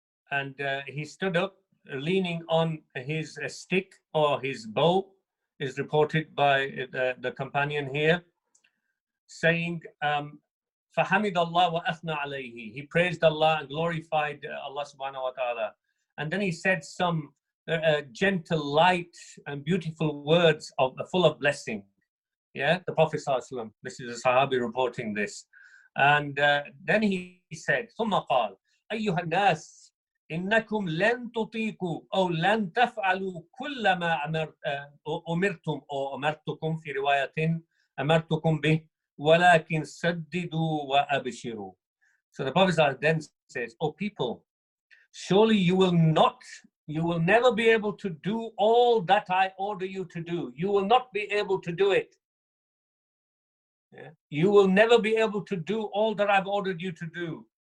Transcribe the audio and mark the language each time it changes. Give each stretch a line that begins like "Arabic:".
English: And he stood up leaning on his stick or his bow, is reported by the companion here, saying,
Arabic: فحمد الله وأثنى عليه.
English: He praised Allah and glorified Allah subhanahu wa ta'ala. And then he said some gentle, light, and beautiful words of full of blessing. Yeah, the Prophet sallallahu alaihi wasallam. This is a Sahabi reporting this. And then he said,
Arabic: ثم قال أيها الناس إنكم لن تطيقوا أو لن تفعلوا كل ما أمرتم أو أمرتكم في رواية أمرتكم به ولكن سددوا وأبشروا.
English: So the Prophet then says, oh people, surely you will never be able to do all that I order you to do. You will not be able to do it. Yeah? You will never be able to do all that I've ordered you to do.